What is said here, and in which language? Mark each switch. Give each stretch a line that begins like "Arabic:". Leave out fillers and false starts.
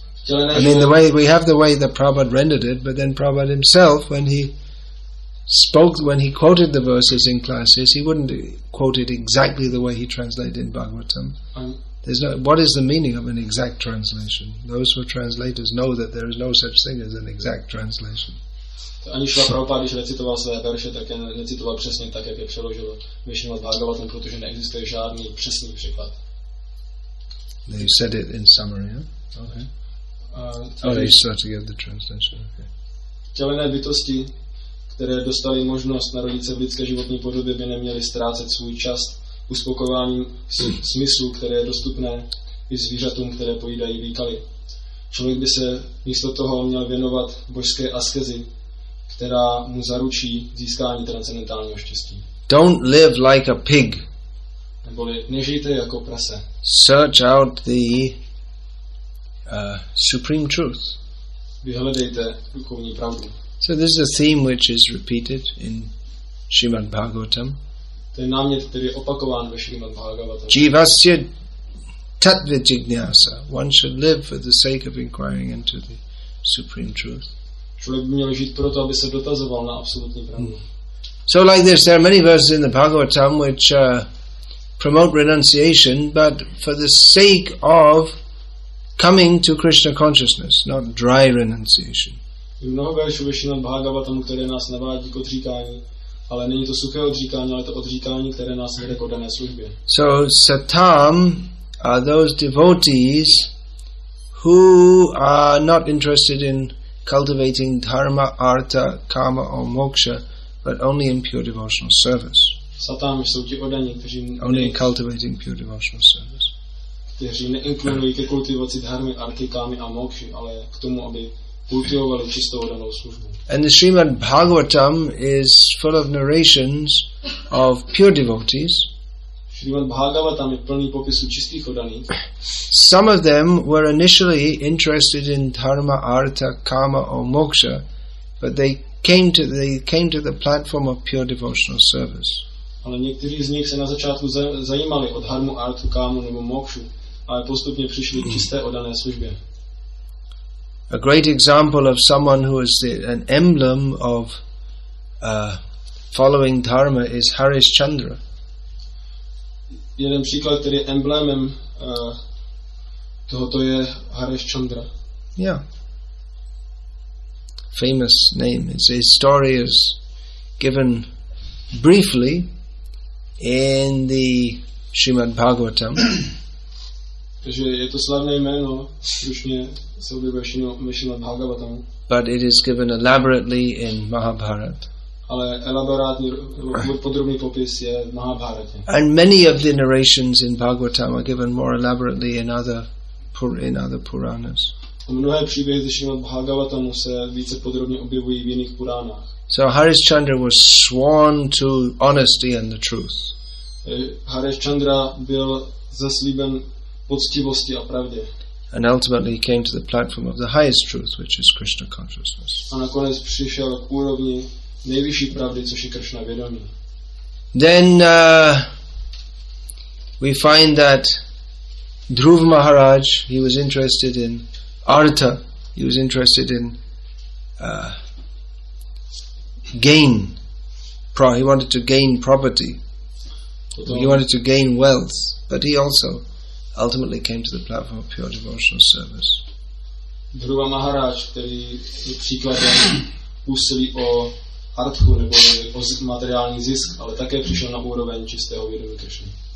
English: I mean, the way we have the way that Prabhupada rendered it, but then Prabhupada himself, when he quoted the verses in classes, he wouldn't quote it exactly the way he translated in Bhagavatam. There's no, what is the meaning of an exact translation? Those who are translators know that there is no such thing as an exact translation.
Czech: Ani Šla Prabhupada, když recitoval své verše, tak necitoval přesně tak, jak je přeložil Vishnuva Bhagavatam, protože neexistuje žádný přesný překlad.
English: They said it in summary, yeah? Okay. They start to get the translation. Okay.
Czech: Vtělené bytosti, které dostaly možnost narodit se v lidské životní podobě, by neměly ztrácet svůj čas uspokojováním smyslu, které je dostupné i zvířatům, které pojídají výkaly. Člověk by se místo toho měl věnovat božské askezi, která mu zaručí získání transcendentálního štěstí.
English: Don't live like a pig.
Czech: Neboli nežijte jako prase.
English: Search out the supreme truth.
Czech: Vyhledejte duchovní pravdu.
English: So this is a theme which is repeated in Srimad Bhagavatam.
Czech: To je námět, který je opakován ve Srimad Bhagavatam.
Sanskrit: Jivasya tatva jignasa.
English: One should live for the sake of inquiring into the supreme truth.
Czech: Člověk by měl žít proto, aby se dotazoval na absolutní pravdu.
English: So like this, there are many verses in the Bhagavatam which promote renunciation, but for the sake of coming to Krishna consciousness, not dry renunciation.
Czech: Je mnoho veršů ve Srimad Bhagavatam, které nás navádí k odříkání, ale není to suché odříkání, ale to odříkání, které nás vede k oddané službě.
English: So satam are those devotees who are not interested in cultivating dharma, artha, kama or moksha, but only in pure devotional service.
Czech: Satam jsou ti oddaní, kteří
English: only in cultivating pure devotional service.
Czech: Kteří neinklinují ke kultivaci dharmy, arty, kámy a mokši, ale k tomu, aby kultivovali čistou oddanou službu.
English: And the Srimad Bhagavatam is full of narrations of pure devotees.
Czech: Srimad Bhagavatam je plný popisu čistých oddaných.
English: Some of them were initially interested in dharma, artha, kama or moksha, but they came to the platform of pure devotional service.
Czech: Ale někteří z nich se na začátku zajímali o dharmu, artu, kámu nebo mokšu, ale postupně přišli k čisté oddané službě.
English: A great example of someone who is an emblem of following dharma is Harishchandra.
Czech: Jeden příklad, který je emblemem tohoto, je Harishchandra.
English: Yeah. Famous name. His story is given briefly in the Srimad Bhagavatam.
Czech: Takže je to slavné jméno, slušně se objevuje ve Srimad Bhagavatam.
English: But it is given elaborately in Mahabharat.
Czech: Ale elaborátní podrobný popis je v Mahabharatě.
English: And many of the narrations in Bhagavatam are given more elaborately in other Puranas.
Czech: Mnohé příběhy ze Srimad Bhagavatamu se více podrobně objevují v jiných Puránách.
English: So Harishchandra was sworn to honesty and the truth.
Czech: Harishchandra byl zaslíben poctivosti a pravdě.
English: And ultimately he came to the platform of the highest truth, which is Krishna consciousness.
Czech: A nakonec přišel k úrovni nejvyšší pravdy, což je Krishna vědomí.
English: Then we find that Dhruv Maharaj, he was interested in artha, he was interested in gain. He wanted to gain property. He wanted to gain wealth. But he also ultimately came to the platform of pure devotional service.
Czech: Dhruva Maharaj, který je příkladem úsilí o arthu nebo o materiální zisk, ale také přišel na úroveň čistého vědomí Krishna.